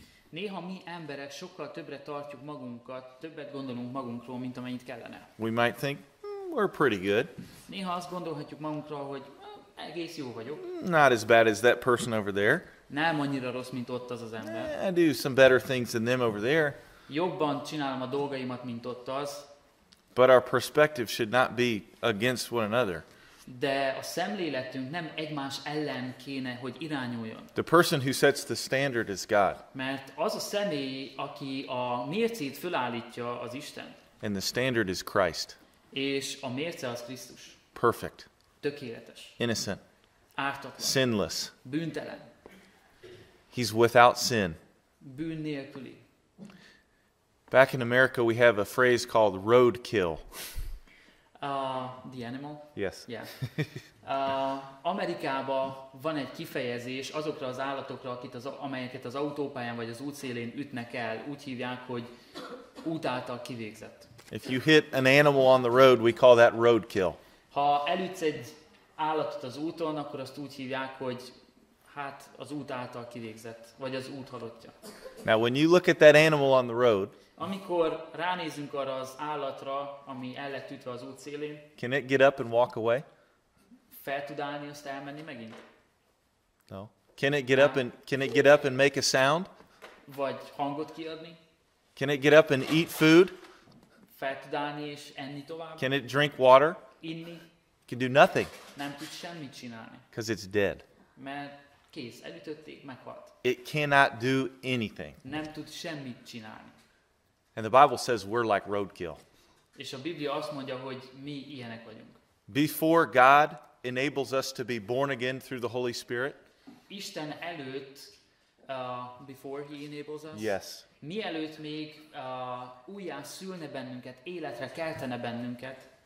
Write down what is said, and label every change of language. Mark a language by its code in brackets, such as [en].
[hu] Néha mi emberek sokkal többre tartjuk magunkat, többet gondolunk magunkról, mint amennyit kellene. [en] We might think, we're pretty good. [hu] Néha azt gondolhatjuk magunkról, hogy egész jó vagyok. [en] Not as bad as that person over there. [hu] Nem annyira rossz, mint ott az az ember. [en] I do some better things than them over there. [hu] Jobban csinálom a dolgaimat, mint ott az. [en] But our perspective should not be against one another. [hu] De a szemléletünk nem egymás ellen kéne, hogy irányuljon. [en] The person who sets the standard is God. [hu] Mert az a személy, aki a mércét fölállítja, az Isten. [en] And the standard is Christ. [hu] És a mérce az Krisztus. [en] Perfect. [hu] Tökéletes. [en] Innocent. [hu] Ártatlan. [en] Sinless. [hu] Bűntelen. [en] He's without sin. [hu] Bűn nélküli. [en] Back in America we have a phrase called roadkill. The animal? Yes. Yeah. [hu] Amerikában van egy kifejezés azokra az állatokra, akit az, amelyeket az autópályán vagy az útszélén ütnek el, úgy hívják, hogy út által kivégzett. [en] If you hit an animal on the road, we call that roadkill. [hu] Ha elütsz egy állatot az úton, akkor azt úgy hívják, hogy hát az út által kivégzett, vagy az út halottja. [en] Now when you look at that animal on the road, [hu] amikor ránézünk arra az állatra, ami el lett ütve az út szélén, [en] can it get up and walk away? [hu] Fel tud állni, azt elmenni megint? [en] No. Can it get up and make a sound? [hu] Vagy hangot kiadni? [en] Can it get up and eat food? [hu] Fel tud állni és enni tovább? [en] Can it drink water? [hu] Inni? [en] Can do nothing. [hu] Nem tud semmit csinálni. [en] Because it's dead. [hu] Mert kész, elütötték, meghalt. [en] It cannot do anything. [hu] Nem tud semmit csinálni. [en] And the Bible says we're like roadkill. [hu] És a Biblia azt mondja, hogy mi ilyenek vagyunk. [en] Before God enables us to be born again through the Holy Spirit. [hu] Isten előtt, [en] before he enables us. Yes. [hu] Mielőtt még újjá szülne bennünket, életre keltene bennünket.